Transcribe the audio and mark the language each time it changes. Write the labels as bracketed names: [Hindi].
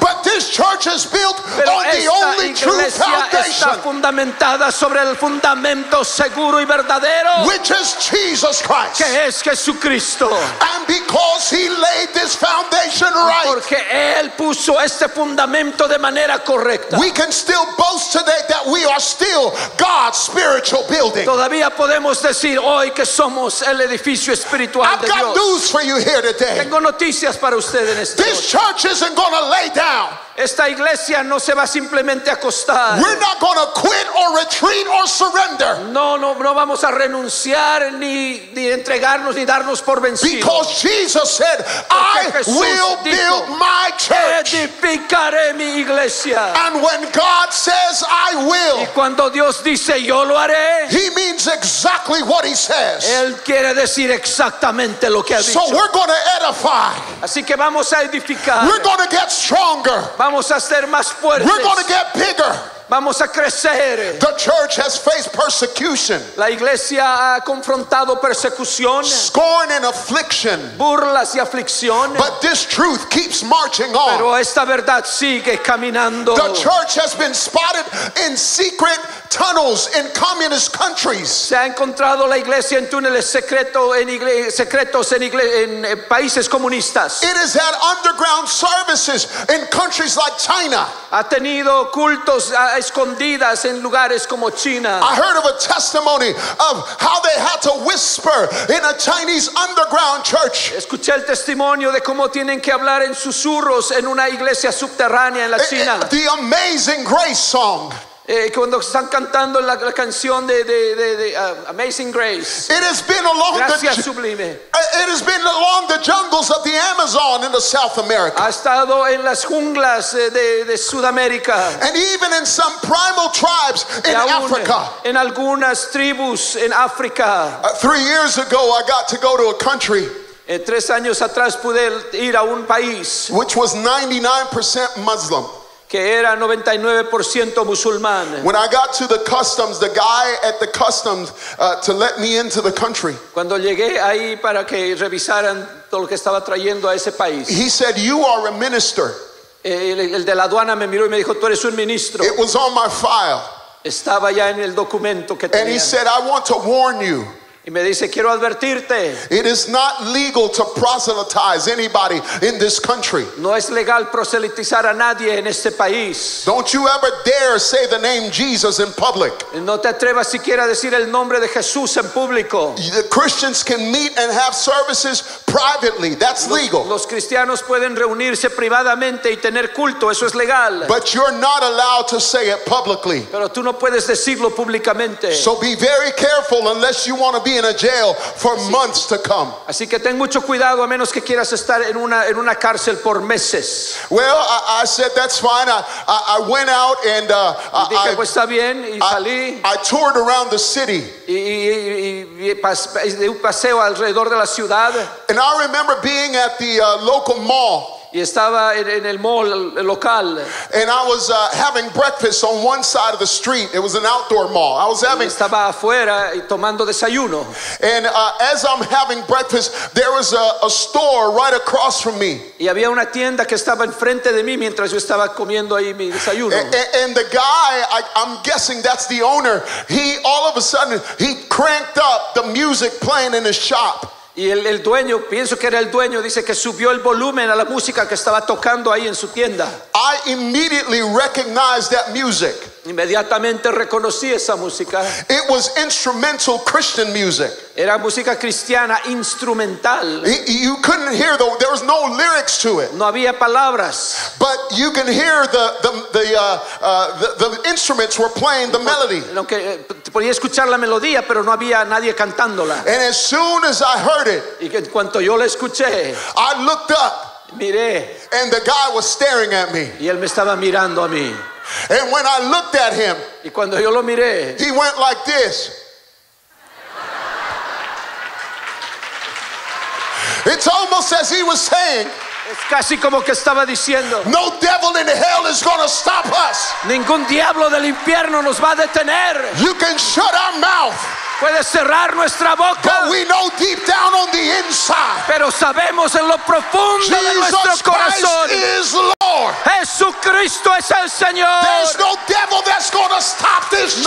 [English] But this church is built on the only true foundation. [Spanish] Está fundamentada sobre el fundamento seguro y verdadero. [English] Which is Jesus Christ. [Spanish] Que es Jesucristo. [English] And because he laid this foundation right. [Spanish] Porque él puso este fundamento de manera correcta. [English] We can still boast today that we are still God's spiritual building. [Spanish] Todavía podemos decir hoy que somos el edificio espiritual de Dios. [English] I've got news for you here today. [Spanish] Tengo noticias para usted en este. [English] This church isn't going to lay down. [Spanish] Esta iglesia no se va simplemente a acostar. [English] We're not going to quit or retreat or surrender. [Spanish] No vamos a renunciar ni entregarnos ni darnos por vencidos. [English] Because Jesus said, I will build my church. [Spanish] Edificaré mi iglesia. [English] And when God says, I will. [Spanish] Y cuando Dios dice, yo lo haré. [English] He means exactly what he says. [Spanish] Él quiere decir exactamente lo que ha dicho. [English] So we're going to edify. [Spanish] Así que vamos a edificar. [English] We're going to get stronger. [Spanish] Vamos a ser más fuertes. [English] We're going to get bigger. [Spanish] Vamos a crecer. [English] The church has faced persecution. [Spanish] La iglesia ha confrontado persecución. [English] Scorn and affliction. [Spanish] Burlas y aflicción. [English] But this truth keeps marching on. [Spanish] Pero esta verdad sigue caminando. [English] The church has been spotted in secret tunnels in communist countries. [Spanish] Se ha encontrado la iglesia en túneles secretos en países comunistas. [English] It has had underground services in countries like China. [Spanish] Ha tenido cultos escondidas en lugares como China. [English] I heard of a testimony of how they had to whisper in a Chinese underground church. [Spanish] Escuché el testimonio de cómo tienen que hablar en susurros en una iglesia subterránea en la China. [English] The Amazing Grace song. [Spanish] Cuando están cantando la canción de Amazing Grace. [English] It has been along [Spanish] Gracias [English] the sublime. It has been along the jungles of the Amazon in the South America. [Spanish] Ha estado en las junglas de Sudamérica. [English] And even in some primal tribes in Africa. [Spanish] En algunas tribus en África. [English] 3 years ago, I got to go to a country. [Spanish] 3 años atrás pude ir a un país. [English] Which was 99% Muslim. [Spanish] Que era 99% musulmán. [English] When I got to the customs, the guy at the customs to let me into the country. [Spanish] Cuando llegué ahí para que revisaran todo lo que estaba trayendo a ese país. [English] He said, "You are a minister." [Spanish] El de la aduana me miró y me dijo, "Tú eres un ministro." [English] It was on my file. [Spanish] Estaba ya en el documento que tenía. [English] And he said, "I want to warn you." [Spanish] Y me dice, quiero advertirte. [English] It is not legal to proselytize anybody in this country. [Spanish] No es legal proselitizar a nadie en este país. [English] Don't you ever dare say the name Jesus in public. [Spanish] No te atrevas siquiera a decir el nombre de Jesús en público. [English] The Christians can meet and have services privately. That's legal. [Spanish] Los cristianos pueden reunirse privadamente y tener culto. Eso es legal. [English] But you're not allowed to say it publicly. [Spanish] Pero tú no puedes decirlo públicamente. [English] So be very careful unless you want to be in a jail for months to come. [Spanish] Así que ten mucho cuidado a menos que quieras estar en una cárcel por meses. [English] Well, I said that's fine. I went out and [Spanish] dije, pues está bien, y salí. [English] I toured around the city. [Spanish] Y paseo alrededor de la ciudad. [English] And I remember being at the local mall. [Spanish] Y estaba en el mall local. [English] And I was having breakfast on one side of the street. It was an outdoor mall. I was having. [Spanish] Y estaba afuera y tomando desayuno. [English] And as I'm having breakfast, there was a store right across from me. [Spanish] Y había una tienda que estaba enfrente de mí mientras yo estaba comiendo ahí mi desayuno. [English] And the guy, I'm guessing that's the owner. He all of a sudden he cranked up the music playing in his shop. [Spanish] Y el dueño, pienso que era el dueño, dice que subió el volumen a la música que estaba tocando ahí en su tienda. [English] I immediately recognized that music. [Spanish] Inmediatamente reconocí esa música. [English] It was instrumental Christian music. [Spanish] Era música cristiana instrumental. [English] You couldn't hear though. There was no lyrics to it. [Spanish] No había palabras. [English] But you can hear the instruments were playing the melody. [Spanish] Aunque podía escuchar la melodía, pero no había nadie cantándola. [English] And as soon as I heard it, [Spanish] y en cuanto yo la escuché, [English] I looked up. [Spanish] Miré. [English] And the guy was staring at me. [Spanish] Y él me estaba mirando a mí. [English] And when I looked at him, [Spanish] y cuando yo lo miré, [English] he went like this. It's almost as he was saying, [Spanish] es casi como que estaba diciendo, [English] no devil in hell is going to stop us. [Spanish] Ningún diablo del infierno nos va a detener. [English] You can shut our mouth. [Spanish] Puede cerrar nuestra boca. [English] But we know deep down on the inside. [Spanish] Pero sabemos en lo profundo [English] Jesus [Spanish] de nuestro corazón. [English] Christ is Lord. [Spanish] Jesucristo es el Señor. [English] There's no devil that's going to stop this church.